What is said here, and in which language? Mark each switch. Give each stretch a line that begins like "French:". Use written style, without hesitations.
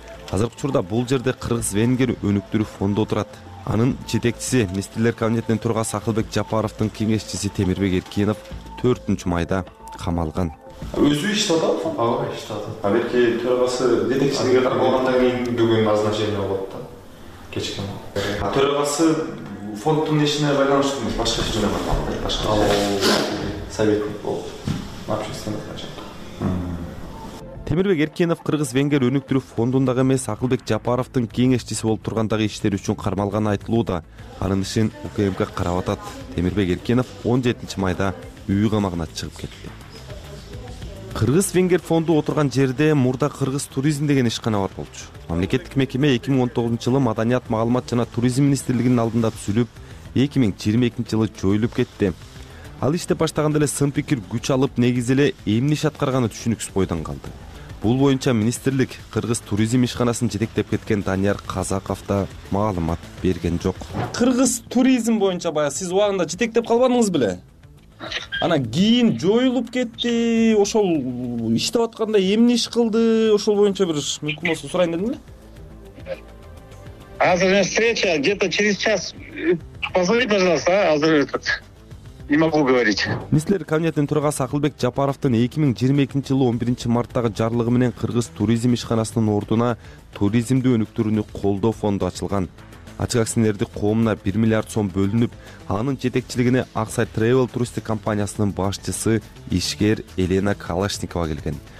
Kyrgyz: Азыркы учурда бул жерде кыргыз венгер өнүктүрүү фонду отурат. Анын жетекчиси министрлер кабинетинин төрагасы Акылбек Жапаровдун кеңешчиси Темирбек Эркинов 4 майда камалган. Өзү иштеп атабы? Ага, иштеп атат. Балким төрагасы жетекчилиге кармалгандан кийин бүгүн назначение болот да. Кечке. Төрагасы фонддун ишине байланыштуу эмес, башка иш менен байланыштуу. Башка
Russian: советник
Kyrgyz: болуп,
Russian: общественный начальник.
Kyrgyz: Темирбек Эркенов кыргыз венгер өнүктүрүү фондундагы эмес Акылбек Жапаровдун кеңешчиси болуп тургандагы иштери үчүн кармалганы айтылууда. Анын ишин УКМК карап атат. Темирбек Эркенов 17 майда үй камагына чыгып кетти. Кыргыз венгер фонду отурган жерде мурда кыргыз туризм деген ишкана бар болчу. Мамлекеттик мекеме 2019 жылы маданият, маалымат жана туризм министрлигинин алдында түзүлүп, 2022 жылы жоюлуп кетти. Ал иштеп баштаганда эле сын пикир күч алып, негизи эле эмне иш аткарганы түшүнүксүз бойдон калды. Бул боюнча министрлик кыргыз туризм ишканасын жетектеп кеткен Данияр Казаков да маалымат берген жок. Кыргыз туризм боюнча бая сиз убагында жетектеп калбадыңыз беле? Анан кийин жоюлуп кетти. Ошол иштеп атканда эмне иш кылды? Ошол боюнча бир мүмкүн болсо сурайын дедим эле. Азыр
Russian: встреча где-то через час. Позвони, пожалуйста,
Kyrgyz: азыр
Russian: этот. Не могу говорить.
Kyrgyz: Министрлер кабинетинин төрагасы Акылбек Жапаровдун 2022 жылы 11 марттагы жарлыгы менен кыргыз туризм ишканасынын ордуна туризмди өнүктүрүүнү колдоо фонду ачылган. Ачык акционерди коомуна 1 миллиард сом бөлүнүп, анын жетекчилигине Аксай Travel туристтик компаниясынын башчысы ишкер Елена Калашникова келген.